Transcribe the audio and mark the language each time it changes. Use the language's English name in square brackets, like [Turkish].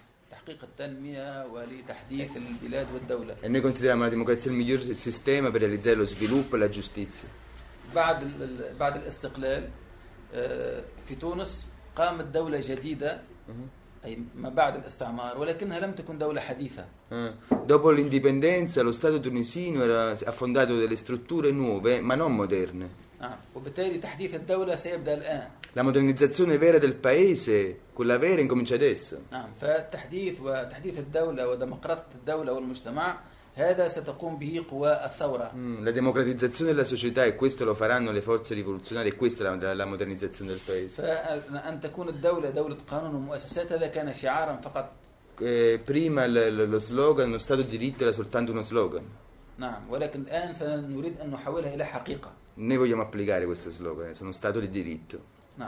[Arabic] تحقيق التنمية ولتحديث البلاد والدولة. [Italian] E noi consideriamo la democrazia il miglior sistema per realizzare lo sviluppo e la giustizia. [Arabic] بعد الاستقلال في تونس قامت دولة جديدة أي ما بعد الاستعمار ولكنها لم تكن دولة حديثة. [Italian] Dopo l'indipendenza lo Stato tunisino era affondato delle strutture nuove ma non moderne. [Arabic] وبالتالي تحديث الدولة سيبدأ الآن. [Italian] La modernizzazione vera del paese, quella vera, incomincia adesso. [Arabic] فالتحديث وتحديث الدولة وديمقراطية الدولة والمجتمع هذا ستقوم به قوى الثورة. [Italian] La democratizzazione della società e questo lo faranno le forze rivoluzionarie e questa è la modernizzazione del paese. [Arabic] فأن تكون الدولة دولة قانون ومؤسسات هذا كان شعارا فقط. [Italian] Prima lo slogan, lo Stato di diritto era soltanto uno slogan. [Arabic] نعم ولكن الآن سنريد أن نحولها إلى حقيقة. [Italian] Noi vogliamo applicare questo slogan, sono stato di diritto.